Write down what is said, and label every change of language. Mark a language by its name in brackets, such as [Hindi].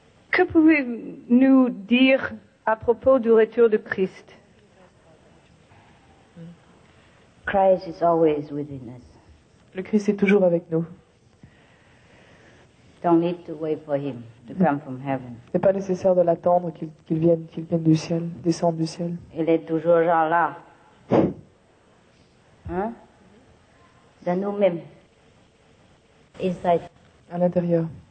[French] Que pouvez-nous dire à propos du retour de Christ? [English] Christ is always within us. [French] Le Christ est toujours avec nous. [English] Don't need to wait for him to come from heaven. [French] Ce n'est pas nécessaire de l'attendre qu'il vienne du ciel, descende du ciel. Il est toujours là. Hein? Dans nous-mêmes. Inside. À l'intérieur.